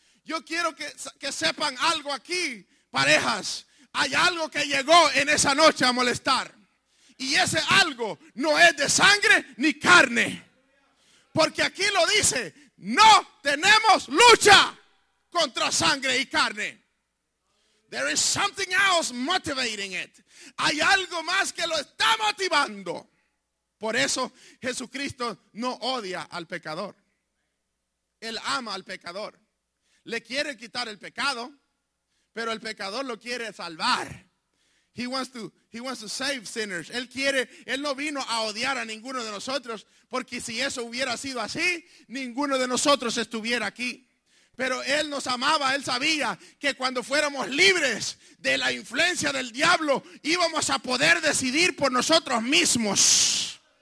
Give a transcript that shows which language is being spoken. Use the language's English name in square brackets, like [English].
[Spanish] Yo quiero que sepan algo aquí, parejas. Hay algo que llegó en esa noche a molestar. Y ese algo no es de sangre ni carne. Porque aquí lo dice, no tenemos lucha contra sangre y carne. [English] There is something else motivating it. [Spanish] Hay algo más que lo está motivando. Por eso Jesucristo no odia al pecador. Él ama al pecador. Le quiere quitar el pecado, pero el pecador lo quiere salvar. [English] He wants to save sinners. [Spanish] Él no vino a odiar a ninguno de nosotros, porque si eso hubiera sido así, ninguno de nosotros estuviera aquí. Pero Él nos amaba, Él sabía que cuando fuéramos libres de la influencia del diablo, íbamos a poder decidir por nosotros mismos.